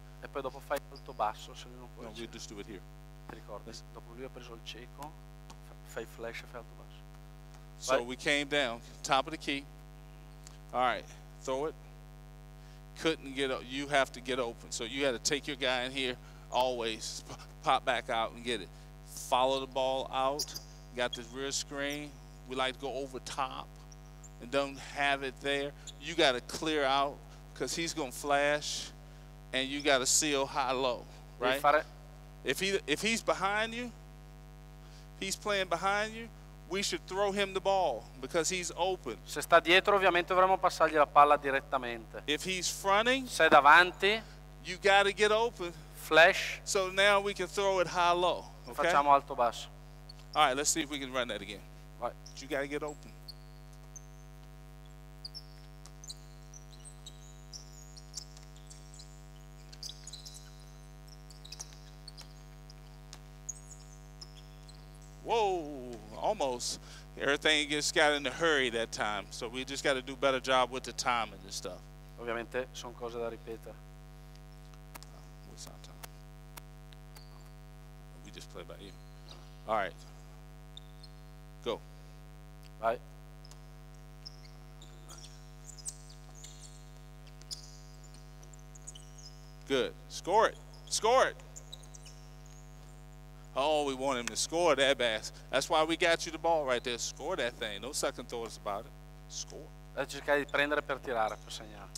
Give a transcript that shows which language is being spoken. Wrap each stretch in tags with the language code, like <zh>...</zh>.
<it>E poi dopo fai alto basso, se non</it> <en>no, we'll just do it here.</en> <it>Ti ricordi?</it> <en>Let's...</en> <it>Dopo lui ha preso il cieco, fai flash e fai alto basso.</it> <en>So vai. We came down, top of the key. All right, throw it. Couldn't get up. You have to get open. So you had to take your guy in here, always pop back out and get it. Follow the ball out. Got this rear screen. We like to go over top and don't have it there. You got to clear out because he's going to flash and you got to seal high low, right? If he's behind you, he's playing behind you, we should throw him the ball because he's open.</en> <it>Se sta dietro, ovviamente dovremmo passargli la palla direttamente.</it> <en>If he's fronting,</en> <it>se davanti,</it> <en>you got to get open. Flash. So now we can throw it high low. Okay?</en> <it>Facciamo alto basso.</it> <en>All right, let's see if we can run that again. But you gotta get open. Whoa, almost. Everything just got in a hurry that time. So we just gotta do a better job with the timing and stuff.</en> <it>Ovviamente sono cose da ripetere.</it> <en>What's our time? We just play by ear. All right. Go.</en> <it>Vai.</it> <en>Good. Score it. Score it. Oh, we want him to score that bass. That's why we got you the ball right there. Score that thing. No second thoughts about it. Score. Let's just try to</en> <it>prendere per tirare, per segnare.</it>